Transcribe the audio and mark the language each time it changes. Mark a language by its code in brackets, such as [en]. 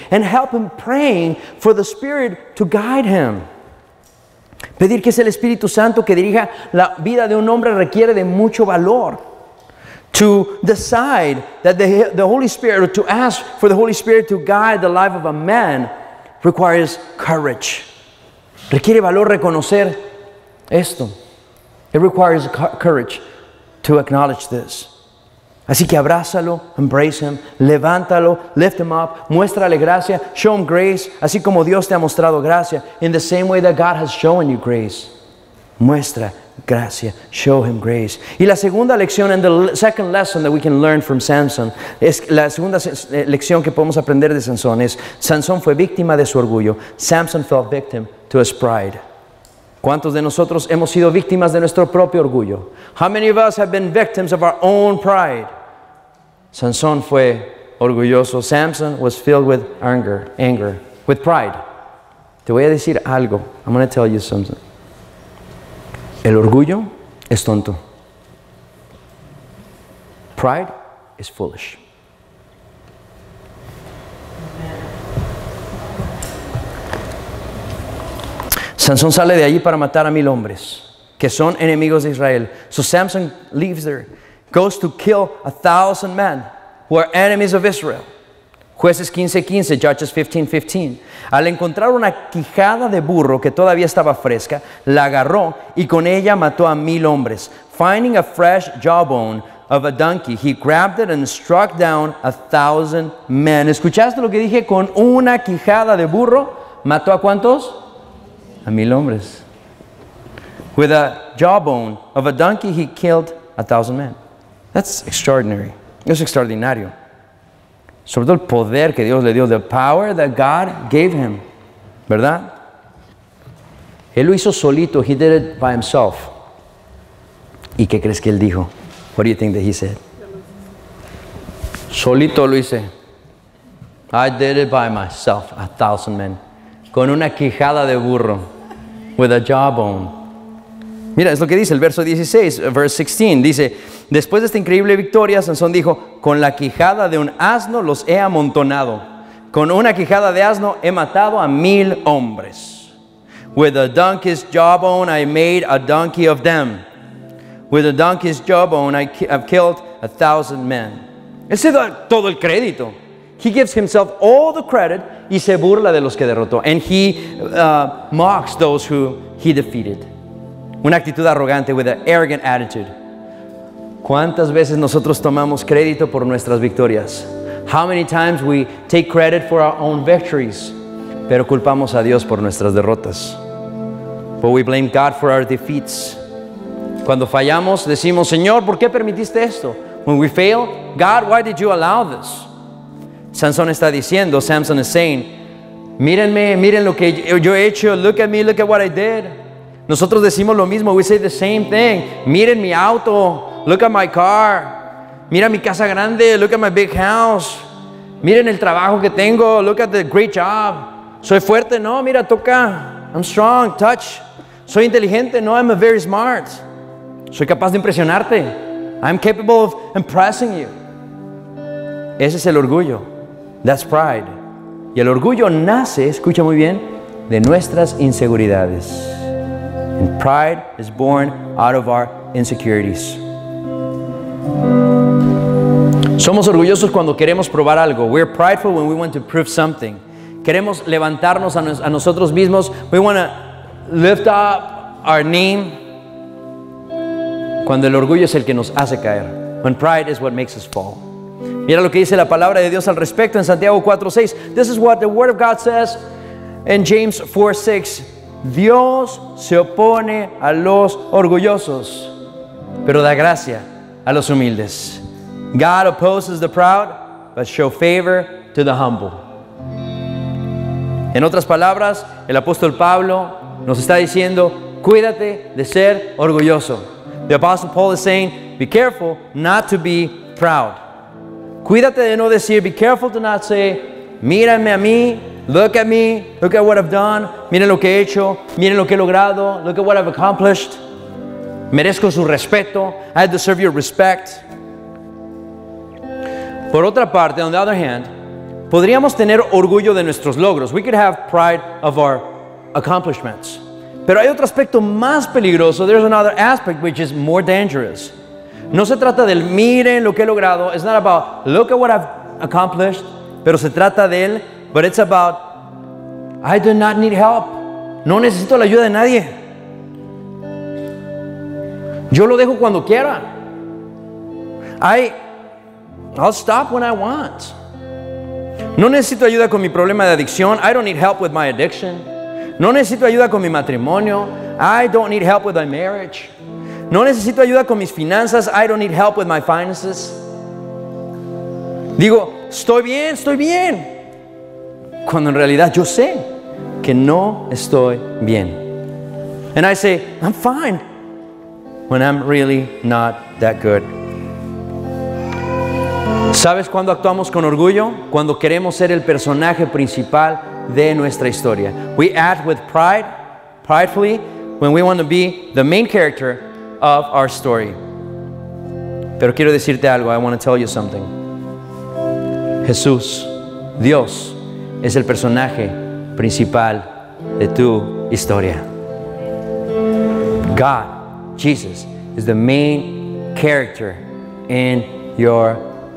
[en] And help him praying for the Spirit to guide him. [es] Pedir que sea el Espíritu Santo que dirija la vida de un hombre requiere de mucho valor. [en] To decide that the Holy Spirit, or to ask for the Holy Spirit to guide the life of a man, requires courage. [es] Requiere valor reconocer esto. [en] It requires courage to acknowledge this. [es] Así que abrázalo, [en] embrace him, [es] levántalo, [en] lift him up, [es] muéstrale gracia, [en] show him grace, [es] así como Dios te ha mostrado gracia, [en] in the same way that God has shown you grace. [es] Muestra gracia, [en] show him grace. [es] Y la segunda lección, [en] and the second lesson that we can learn from Samson, [es] es la segunda lección que podemos aprender de Sansón es, Sansón fue víctima de su orgullo. [en] Samson fell victim to his pride. [es] ¿Cuántos de nosotros hemos sido víctimas de nuestro propio orgullo? [en] How many of us have been victims of our own pride? [es] Sansón fue orgulloso. [en] Samson was filled with anger, with pride. [es] Te voy a decir algo. [en] I'm going to tell you something. [es] El orgullo es tonto. [en] Pride is foolish. [es] Sansón sale de allí para matar a 1,000 hombres que son enemigos de Israel. [en] So Samson leaves there, goes to kill 1,000 men who are enemies of Israel. [es] Jueces 15:15, Judges 15:15. Al encontrar una quijada de burro que todavía estaba fresca, la agarró y con ella mató a 1,000 hombres. [en] Finding a fresh jawbone of a donkey, he grabbed it and struck down 1,000 men. [es] ¿Escuchaste lo que dije? Con una quijada de burro, ¿mató a cuántos? A 1,000 hombres. [en] With a jawbone of a donkey, he killed 1,000 men. That's extraordinary. [es] Es extraordinario. Sobre todo el poder que Dios le dio, [en] the power that God gave him. [es] ¿Verdad? Él lo hizo solito. [en] He did it by himself. [es] ¿Y qué crees que él dijo? [en] What do you think that he said? [es] Solito lo hice. [en] I did it by myself. 1,000 men. [es] Con una quijada de burro. [en] With a jawbone. [es] Mira, es lo que dice el verso 16, [en] verse 16. [es] Dice, después de esta increíble victoria, Sansón dijo, con la quijada de un asno los he amontonado. Con una quijada de asno he matado a 1,000 hombres. [en] With a donkey's jawbone, I made a donkey of them. With a donkey's jawbone, I've killed 1,000 men. [es] Él se da todo el crédito. [en] He gives himself all the credit. [es] Y se burla de los que derrotó. [en] And he mocks those who he defeated. [es] Una actitud arrogante, [en] with an arrogant attitude. [es] ¿Cuántas veces nosotros tomamos crédito por nuestras victorias? [en] How many times we take credit for our own victories, [es] pero culpamos a Dios por nuestras derrotas? [en] But we blame God for our defeats. [es] Cuando fallamos, decimos, Señor, ¿por qué permitiste esto? [en] When we fail, God, why did you allow this? [es] Sansón está diciendo, [en] Samson is saying, [es] mírenme, miren lo que yo he hecho, [en] look at me, look at what I did. [es] Nosotros decimos lo mismo, [en] we say the same thing. [es] Miren mi auto, [en] look at my car. [es] Mira mi casa grande, [en] look at my big house. [es] Miren el trabajo que tengo, [en] look at the great job. [es] Soy fuerte, no, mira, toca. [en] I'm strong, touch. [es] Soy inteligente, no, [en] I'm very smart. [es] Soy capaz de impresionarte. [en] I'm capable of impressing you. [es] Ese es el orgullo. [en] That's pride. [es] Y el orgullo nace, escucha muy bien, de nuestras inseguridades. [en] And pride is born out of our insecurities. [es] Somos orgullosos cuando queremos probar algo. [en] We're prideful when we want to prove something. [es] Queremos levantarnos a nosotros mismos. [en] We want to lift up our name. [es] Cuando el orgullo es el que nos hace caer. [en] When pride is what makes us fall. [es] Mira lo que dice la palabra de Dios al respecto en Santiago 4:6. [en] This is what the word of God says in James 4:6. [es] Dios se opone a los orgullosos, pero da gracia a los humildes. [en] God opposes the proud, but show favor to the humble. [es] En otras palabras, el apóstol Pablo nos está diciendo, cuídate de ser orgulloso. [en] The apostle Paul is saying, be careful not to be proud. [es] Cuídate de no decir, [en] be careful to not say, [es] mírame a mí, [en] look at me, look at what I've done, [es] miren lo que he hecho, miren lo que he logrado, [en] look at what I've accomplished. [es] Merezco su respeto, [en] I deserve your respect. [es] Por otra parte, [en] on the other hand, [es] podríamos tener orgullo de nuestros logros. [en] We could have pride of our accomplishments. [es] Pero hay otro aspecto más peligroso. [en] There's another aspect which is more dangerous. [es] No se trata del miren lo que he logrado. [en] It's not about look at what I've accomplished. [es] Pero se trata del, [en] but it's about I do not need help. [es] No necesito la ayuda de nadie. Yo lo dejo cuando quiera. [en] I'll stop when I want. [es] No necesito ayuda con mi problema de adicción. [en] I don't need help with my addiction. [es] No necesito ayuda con mi matrimonio. [en] I don't need help with my marriage. [es] No necesito ayuda con mis finanzas. [en] I don't need help with my finances. [es] Digo, estoy bien, cuando en realidad yo sé que no estoy bien. [en] And I say, I'm fine, when I'm really not that good. [es] ¿Sabes cuándo actuamos con orgullo? Cuando queremos ser el personaje principal de nuestra historia. [en] We act with pride, pridefully, when we want to be the main character of our story. [es] Pero quiero decirte algo, [en] I want to tell you something. [es] Jesús, Dios, es el personaje principal de tu historia. [en] God, Jesus, is the main character in your story.